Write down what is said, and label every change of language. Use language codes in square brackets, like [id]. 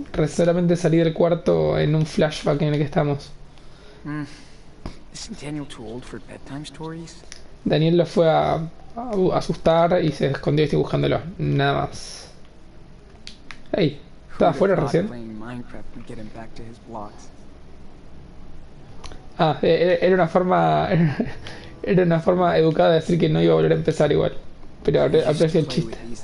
[es] Solamente salí del cuarto en un flashback en el que estamos. [en] Isn't Daniel too old for bedtime stories? [es] Daniel lo fue a asustar y se escondió y estoy buscándolo. Nada más. Hey, ¿estaba afuera recién? [en] Playing Minecraft and getting back to his blocks. [es] Ah, era una forma. Era una forma educada de decir que no iba a volver a empezar igual. Pero aprecio el chiste.